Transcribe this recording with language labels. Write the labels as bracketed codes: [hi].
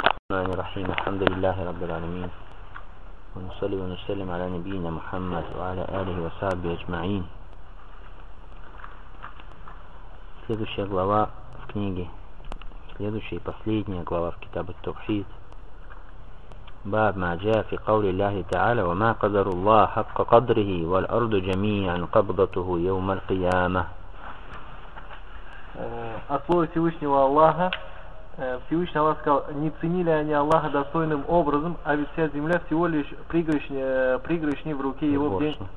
[ar] الرحمن الرحيم، الحمد لله رب العالمين، ونصلي ونسلم على نبينا محمد وعلى آله وصحبه أجمعين. [ru] Следующая глава в книге, следующая и последняя глава в Китабе Тавхид. [ar] باب ما جاء في قول الله تعالى وما قدر الله حق قدره والأرض جميعا قبضته يوم القيامة. [ru] От слова Всевышнего Аллаха, Всевышний Аллах сказал, не ценили они Аллаха достойным образом, а ведь вся земля всего лишь пригоршня в руке его в день